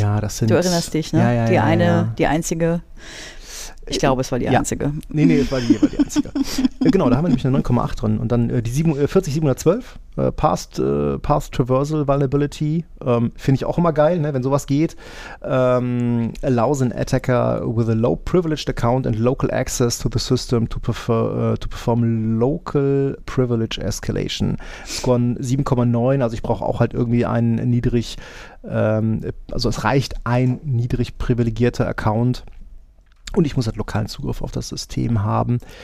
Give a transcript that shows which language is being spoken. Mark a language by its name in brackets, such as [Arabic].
[German] Oh ja, das sind. Du erinnerst dich, ne? Ja, ja, die ja, eine, ja. Die einzige. Ich glaube, es war die einzige. Ja. Nee, es war die einzige. Genau, da haben wir nämlich eine 9,8 drin. Und dann die 40712, Past Traversal Vulnerability, finde ich auch immer geil, ne, wenn sowas geht. [English] Allows an attacker with a low privileged account and local access to the system to perform local privilege escalation. [German] Score 7,9, also ich brauche auch halt irgendwie einen niedrig, also es reicht ein niedrig privilegierter Account. Und ich muss halt lokalen Zugriff auf das System haben.